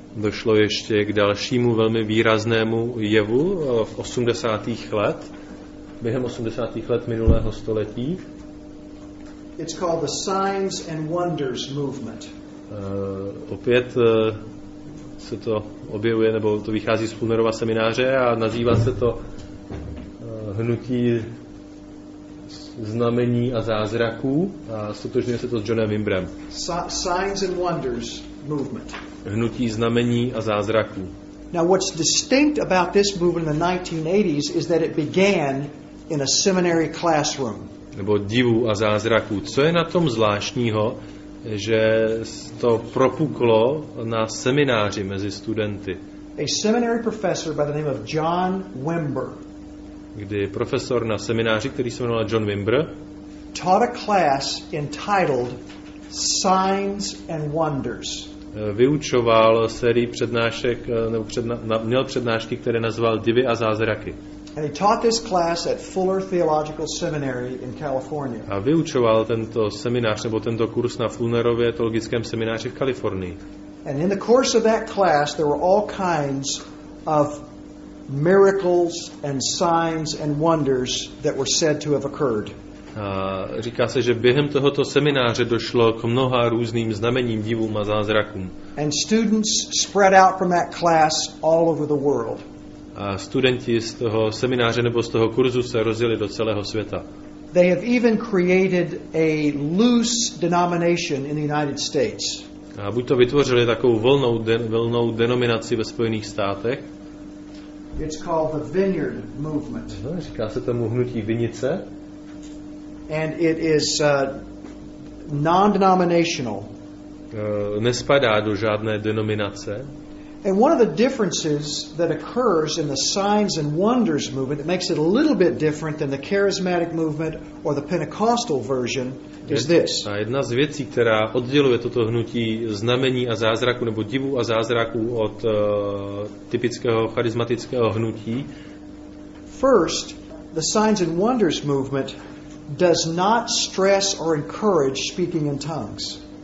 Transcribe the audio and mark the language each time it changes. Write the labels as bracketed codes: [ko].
[cs] Došlo ještě k dalšímu velmi výraznému jevu v 80. letech. Během 80. let minulého století. [en] It's called the Signs and Wonders Movement. [cs] Opět se to objevuje, nebo to vychází z Fullerova semináře a nazývá se to hnutí znamení a zázraků a stotožňuje se to s Johnem Wimbrem. [en] Signs and Wonders. movement. [cs] Hnutí znamení a zázraků. [en] Now what's distinct about this movement in the 1980s is that it began in a seminary classroom. [cs] Nebo divu a zázraků. Co je na tom zvláštního, že to propuklo na semináři mezi studenty? [en] A seminary professor by the name of John Wimber. [cs] Kdy profesor na semináři, který se jmenoval John Wimber, [en] taught a class entitled Signs and Wonders. [cs] Vyučoval sérii přednášek nebo měl přednášky, které nazval Divy a zázraky. [en] And he taught this class at Fuller Theological Seminary in California. [cs] A vyučoval tento seminář nebo tento kurz na Fullerově teologickém semináři v Kalifornii. [en] And in the course of that class there were all kinds of miracles and signs and wonders that were said to have occurred. [cs] Říká se, že během tohoto semináře došlo k mnoha různým znamením, divům a zázrakům. [en] And students spread out from that class all over the world. [cs] A studenti z toho semináře nebo z toho kurzu se rozjeli do celého světa. [en] They have even created a loose denomination in the United States. [cs] A buď to vytvořili takovou volnou denominaci ve Spojených státech. [en] It's called the Vineyard Movement. [cs] Říká se tomu hnutí vinice. [en] And it is non-denominational. [cs] Nespadá do žádné denominace. [en] And one of the differences that occurs in the Signs and Wonders movement that makes it a little bit different than the Charismatic movement or the Pentecostal version is this. [cs] A jedna z věcí, která odděluje toto hnutí znamení a zázraku nebo divu a zázraku od typického charismatického hnutí. [en] First, the Signs and Wonders movement does not stress or encourage speaking in tongues.